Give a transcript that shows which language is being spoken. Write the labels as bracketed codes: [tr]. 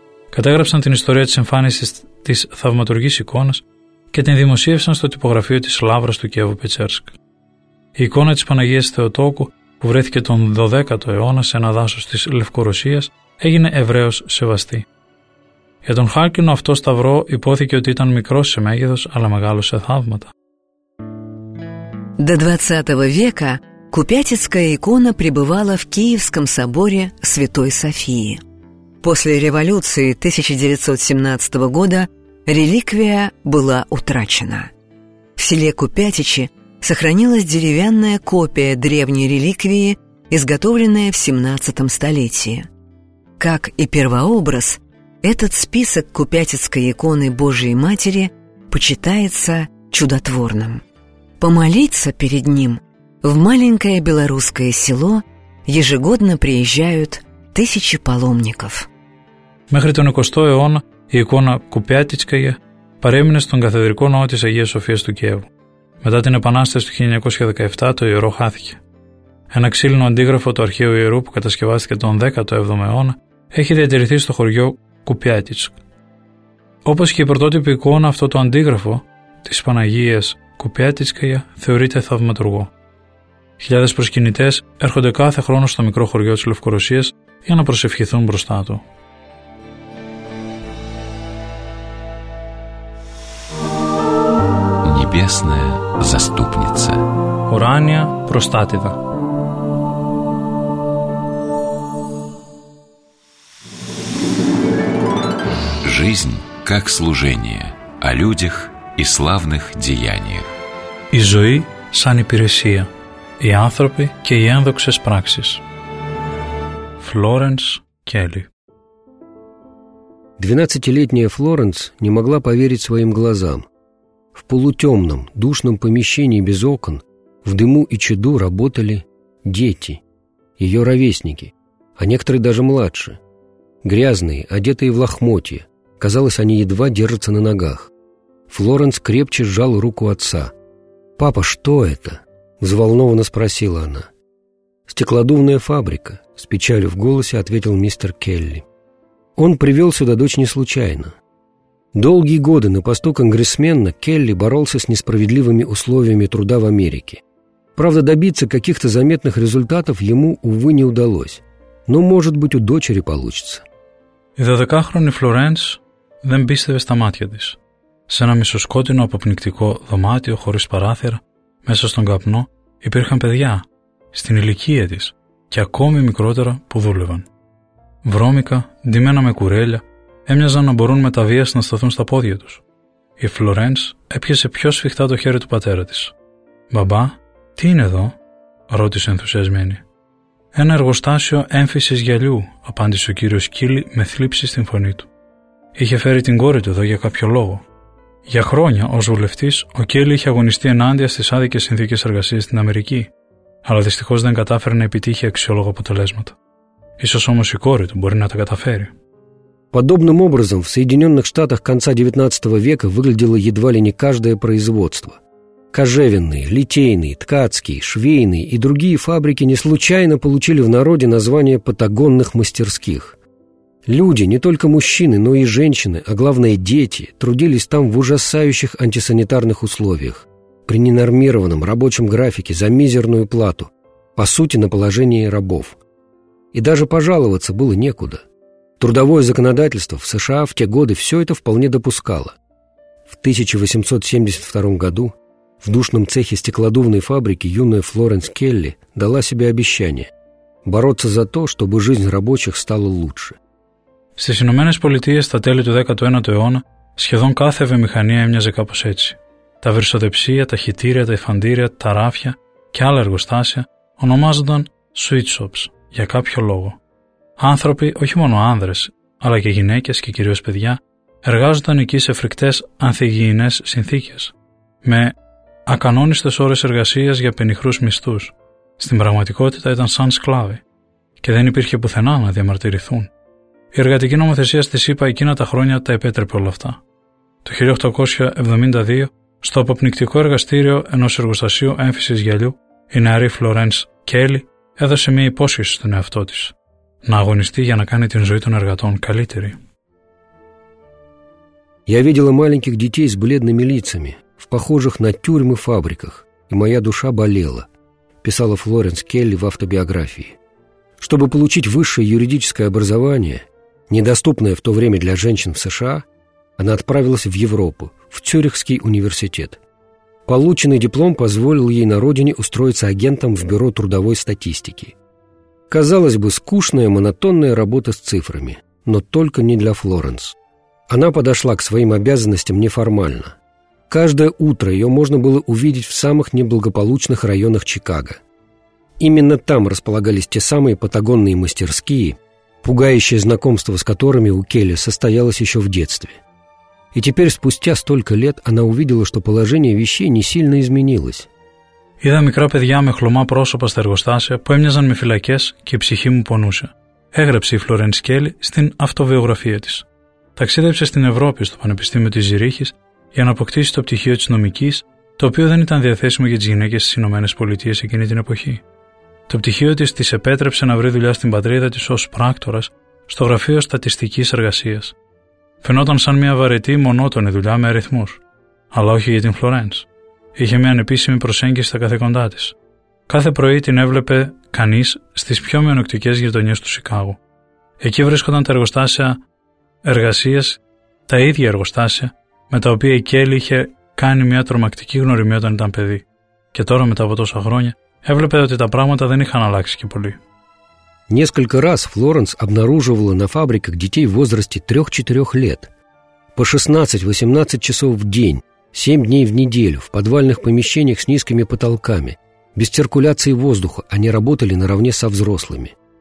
[el] Κατέγραψαν την ιστορία της εμφάνισης της θαυματουργής εικόνας και την δημοσίευσαν στο τυπογραφείο της Λαύρας του Κίεβου Πετσέρσκ. Η εικόνα της Παναγίας Θεοτόκου, που βρέθηκε τον 12ο αιώνα σε ένα δάσος της Λευκορωσίας, έγινε ευρέως σεβαστή. Για τον Χάλκινο αυτό σταυρό υπόθηκε ότι ήταν μικρός σε μέγεθος, αλλά μεγάλος σε θαύματα. [ru] До 20 века Купятицкая икона пребывала в Киевском соборе Святой Софии. После революции 1917 года реликвия была утрачена. В селе Купятичи сохранилась деревянная копия древней реликвии, изготовленная в 17 столетии. Как и первообраз, этот список Купятицкой иконы Божией Матери почитается чудотворным. Помолиться перед ним в маленькое белорусское село ежегодно приезжают тысячи паломников. [el] Мехри тон 20-го аона икона Купятицкая паремене стон кафедрико ноо тис Агия София сту Киеву. Μετά την Επανάσταση του 1917 το ιερό χάθηκε. Ένα ξύλινο αντίγραφο του αρχαίου ιερού που κατασκευάστηκε τον 17ο αιώνα έχει διατηρηθεί στο χωριό Κουπιάτιτσκ. Όπως και η πρωτότυπη εικόνα, αυτό το αντίγραφο της Παναγίας Κουπιάτιτσκαια θεωρείται θαυματουργό. Χιλιάδες προσκυνητές έρχονται κάθε χρόνο στο μικρό χωριό της Λευκορωσίας για να προσευχηθούν μπροστά του. [ru] Небесная заступница. Урания Простатида. Жизнь как служение, о людях и славных деяниях. И жизнь [el] сан υπηρεσία, и άνθρωποι και οι ένδοξες πράξεις. [ru] Флоренс Келли. 12-летняя Флоренс не могла поверить своим глазам. В полутемном, душном помещении без окон, в дыму и чаду работали дети, ее ровесники, а некоторые даже младше. Грязные, одетые в лохмотья, казалось, они едва держатся на ногах. Флоренс крепче сжал руку отца. «Папа, что это?» – взволнованно спросила она. «Стеклодувная фабрика», – с печалью в голосе ответил мистер Келли. «Он привел сюда дочь не случайно». Долгие годы на посту конгрессмена Келли боролся с несправедливыми условиями труда в Америке. Правда, добиться каких-то заметных результатов ему, увы, не удалось. Но, может быть, у дочери получится. [el] Η 12-χρονη Φλορένς δεν πίστευε στα μάτια της. Σε ένα μισοσκότεινο αποπνικτικό δωμάτιο χωρίς παράθυρα, μέσα στον καπνό, υπήρχαν παιδιά, στην ηλικία της και ακόμη μικρότερα που δούλευαν. Βρώμικα, ντυμένα με κουρέλια, έμοιαζαν να μπορούν με τα βίας να σταθούν στα πόδια τους. Η Φλορένς έπιασε πιο σφιχτά το χέρι του πατέρα της. «Μπαμπά, τι είναι εδώ?» ρώτησε ενθουσιασμένη. «Ένα εργοστάσιο έμφυσης γυαλιού», απάντησε ο κύριος Κίλι με θλίψη στην φωνή του. Είχε φέρει την κόρη του εδώ για κάποιο λόγο. Για χρόνια, ως βουλευτής, ο Κίλι είχε αγωνιστεί ενάντια στις άδικες συνθήκες εργασίας στην Αμερική, αλλά δυστυχώς δεν κατάφερε να επιτύχει αξιόλογα αποτελέσματα. Ίσως όμως η κόρη του μπορεί να τα καταφέρει. [ru] Подобным образом в Соединенных Штатах конца XIX века выглядело едва ли не каждое производство. Кожевенные, литейные, ткацкие, швейные и другие фабрики не случайно получили в народе название «патагонных мастерских». Люди, не только мужчины, но и женщины, а главное дети, трудились там в ужасающих антисанитарных условиях, при ненормированном рабочем графике за мизерную плату, по сути, на положение рабов. И даже пожаловаться было некуда. Трудовое законодательство в США в те годы все это вполне допускало. В 1872 году в душном цехе стеклодувной фабрики юная Флоренс Келли дала себе обещание бороться за то, чтобы жизнь рабочих стала лучше. [el] Στις Ηνωμένες Πολιτείες στα τέλη του 19ου αιώνα σχεδόν κάθε βιομηχανία έμοιαζε κάπως έτσι. Τα βριστοδεψία, τα χυτήρια, τα υφαντήρια, τα ράφια και άλλα εργοστάσια ονομάζονταν [en] sweet shops [el] για κάποιο λόγο. Άνθρωποι, όχι μόνο άνδρες, αλλά και γυναίκες και κυρίως παιδιά, εργάζονταν εκεί σε φρικτές ανθυγιεινές συνθήκες, με ακανόνιστες ώρες εργασίας για πενιχρούς μισθούς. Στην πραγματικότητα ήταν σαν σκλάβοι και δεν υπήρχε πουθενά να διαμαρτυρηθούν. Η εργατική νομοθεσία στη ΣΥΠΑ εκείνα τα χρόνια τα επέτρεπε όλα αυτά. Το 1872, στο αποπνικτικό εργαστήριο ενός εργοστασίου έμφυσης γυαλιού, η νεαρή Φλορένς Κέλλη έδωσε μια υπόσχεση στον εαυτό της να αγωνιστεί για να κάνει την ζωή των εργατών καλύτερη. [ru] Я видела маленьких детей с бледными лицами, в похожих на тюрьмы фабриках, и моя душа болела, писала Флоренс Келли в автобиографии. Чтобы получить высшее юридическое образование, недоступное в то время для женщин в США, она отправилась в Европу, в Цюрихский университет. Полученный диплом позволил ей на родине устроиться агентом в бюро трудовой статистики. Казалось бы, скучная, монотонная работа с цифрами, но только не для Флоренс. Она подошла к своим обязанностям неформально. Каждое утро ее можно было увидеть в самых неблагополучных районах Чикаго. Именно там располагались те самые патагонные мастерские, пугающее знакомство с которыми у Келли состоялось еще в детстве. И теперь, спустя столько лет, она увидела, что положение вещей не сильно изменилось. [el] Είδα μικρά παιδιά με χλωμά πρόσωπα στα εργοστάσια που έμοιαζαν με φυλακές και η ψυχή μου πονούσε, έγραψε η Φλόρενς Κέλλη στην αυτοβιογραφία της. Ταξίδεψε στην Ευρώπη στο Πανεπιστήμιο της Ζυρίχης για να αποκτήσει το πτυχίο της νομικής, το οποίο δεν ήταν διαθέσιμο για τις γυναίκες στις Ηνωμένες Πολιτείες εκείνη την εποχή. Το πτυχίο της της επέτρεψε να βρει δουλειά στην πατρίδα της ως πράκτορας στο Γραφείο Στατιστικής Εργασίας. Φαινόταν σαν μια βαρετή, μονότονη δουλειά με αριθμούς. Αλλά όχι για την Φλόρενς. Είχε μια ανεπίσημη προσέγγιση στα καθήκοντά της. Κάθε πρωί την έβλεπε κανείς στις πιο μειονεκτικές γειτονιές του Σικάγου. Εκεί βρίσκονταν τα εργοστάσια εργασίας, τα ίδια εργοστάσια με τα οποία η Κέλλη είχε κάνει μια τρομακτική γνωριμία όταν ήταν παιδί. Και τώρα, μετά από τόσα χρόνια, έβλεπε ότι τα πράγματα δεν είχαν αλλάξει και πολύ. [ru] Несколько раз Флоренс обнаруживала на фабриках детей в возрасте 3-4 лет. По 16-18 часов в день, 7 дней в неделю, в подвальных помещениях с низкими потолками, без циркуляции воздуха, они работали наравне со взрослыми.